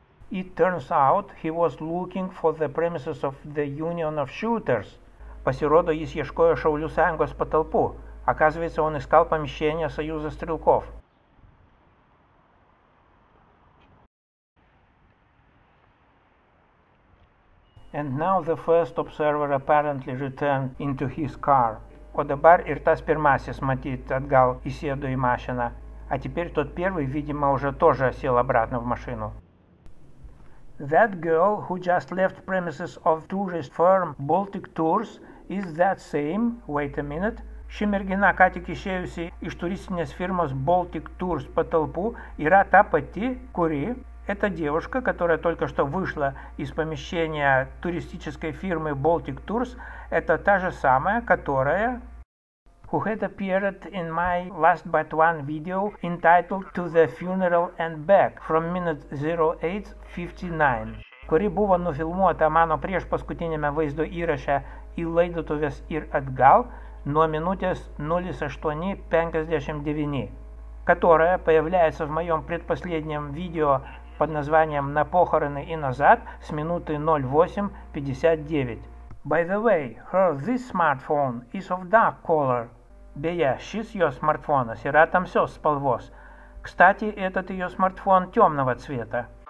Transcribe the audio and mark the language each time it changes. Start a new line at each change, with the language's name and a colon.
English: It turns out he was looking for the premises of the Union of Shooters.
Lithuanian: Pasirodo, jis ieškojo Šaulių sąjungos patalpų.
Russian: Оказывается, он искал помещение Союза стрелков.
English: And now the first observer apparently returned into his car.
Lithuanian: О, dabar ir tas pirmasis, matyt, atgal įsėdo į mašiną.
Russian: А теперь тот первый, видимо, уже тоже сел обратно в машину.
English: That girl who just left premises of tourist firm Baltic Tours is that same, wait a minute,
Lithuanian: ši mergina, ką tik išėjusi iš turistinės firmos Baltic Tours patalpų, yra ta pati, kuri,
Russian: эта девушка, которая только что вышла из помещения туристической фирмы Baltic Tours, это та же самая, которая,
English: who had appeared in my last but one video entitled To the Funeral and Back from minute 08:59,
Lithuanian: kuri buvo nufilmuota mano priešpaskutinėme vaizdo įraše į laidotuvės ir atgal, nuo minutės 08:59,
Russian: которая появляется в моем предпоследнем видео под названием «На похороны и назад» с минуты 08:59.
English: By the way, her this smartphone is of dark color.
Lithuanian: Beje, šis
Russian: ее
Lithuanian: смартфонas yra tamsios spalvos.
Russian: Кстати, этот ее смартфон темного цвета.